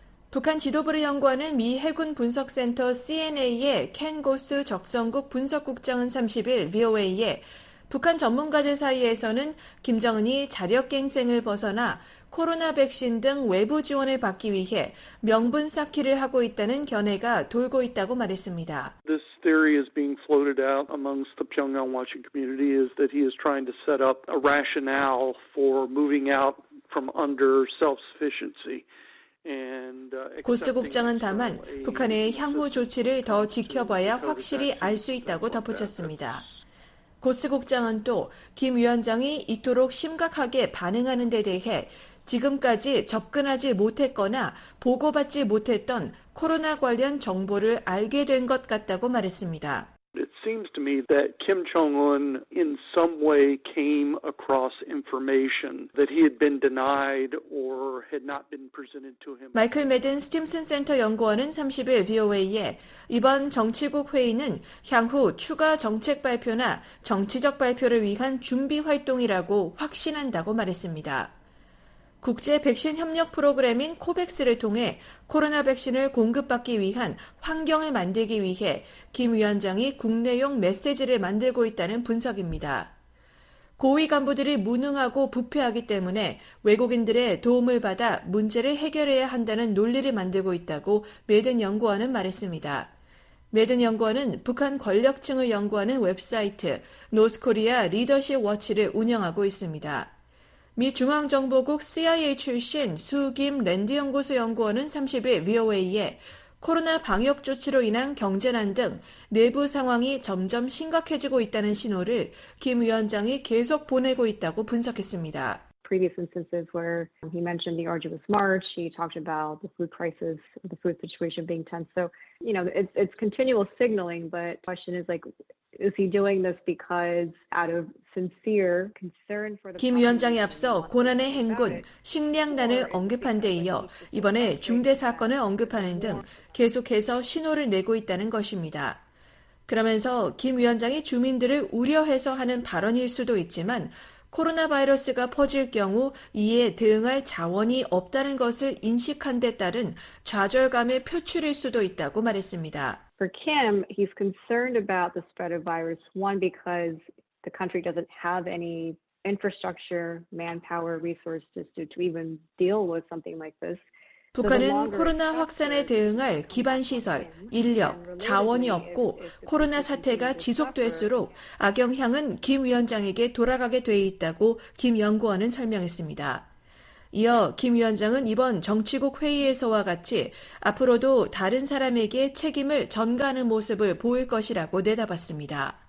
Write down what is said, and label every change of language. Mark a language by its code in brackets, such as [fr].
[ko] 북한 지도부를 연구하는 미 해군 분석센터 CNA의 켄 고스 적성국 분석국장은 30일 VOA에 북한 전문가들 사이에서는 김정은이 자력갱생을 벗어나 코로나 백신 등 외부 지원을 받기 위해 명분 쌓기를 하고 있다는 견해가 돌고 있다고 말했습니다. [en] This theory is being floated out amongst the Pyongyang watching community is that he is trying to set up a rationale for moving out from under self-sufficiency. [ko] 고스 국장은 다만 북한의 향후 조치를 더 지켜봐야 확실히 알 수 있다고 덧붙였습니다. 고스 국장은 또 김 위원장이 이토록 심각하게 반응하는 데 대해 지금까지 접근하지 못했거나 보고받지 못했던 코로나 관련 정보를 알게 된 것 같다고 말했습니다. [en] It seems to me that Kim Jong-un in some way came across information that he had been denied or had not been presented to him. [ko] 마이클 매든 스팀슨 센터 연구원은 30일 VOA에 이번 정치국 회의는 향후 추가 정책 발표나 정치적 발표를 위한 준비 활동이라고 확신한다고 말했습니다. 국제 백신 협력 프로그램인 코백스를 통해 코로나 백신을 공급받기 위한 환경을 만들기 위해 김 위원장이 국내용 메시지를 만들고 있다는 분석입니다. 고위 간부들이 무능하고 부패하기 때문에 외국인들의 도움을 받아 문제를 해결해야 한다는 논리를 만들고 있다고 매든 연구원은 말했습니다. 매든 연구원은 북한 권력층을 연구하는 웹사이트 [en] North Korea Leadership Watch [ko] 를 운영하고 있습니다. 미 중앙정보국 CIA 출신 수김 랜드 연구소 연구원은 30일 VOA에 코로나 방역 조치로 인한 경제난 등 내부 상황이 점점 심각해지고 있다는 신호를 김 위원장이 계속 보내고 있다고 분석했습니다. [en] Previous instances where he mentioned the arduous march, he talked about the food crisis, the food situation being tense. So, you know, it's continual signaling, but the question is like, is he doing this because out of sincere concern for the [ko] 김 위원장이 앞서 고난의 행군, 식량난을 언급한 데 이어 이번에 중대 사건을 언급하는 등 계속해서 신호를 내고 있다는 것입니다. 그러면서 김 위원장이 주민들을 우려해서 하는 발언일 수도 있지만 코로나 바이러스가 퍼질 경우 이에 대응할 자원이 없다는 것을 인식한 데 따른 좌절감의 표출일 수도 있다고 말했습니다. [en] For Kim, he's concerned about the spread of virus, one, because the country doesn't have any infrastructure, manpower, resources to even deal with something like this. [ko] 북한은 코로나 확산에 대응할 기반시설, 인력, 자원이 없고 코로나 사태가 지속될수록 악영향은 김 위원장에게 돌아가게 돼 있다고 김 연구원은 설명했습니다. 이어 김 위원장은 이번 정치국 회의에서와 같이 앞으로도 다른 사람에게 책임을 전가하는 모습을 보일 것이라고 내다봤습니다.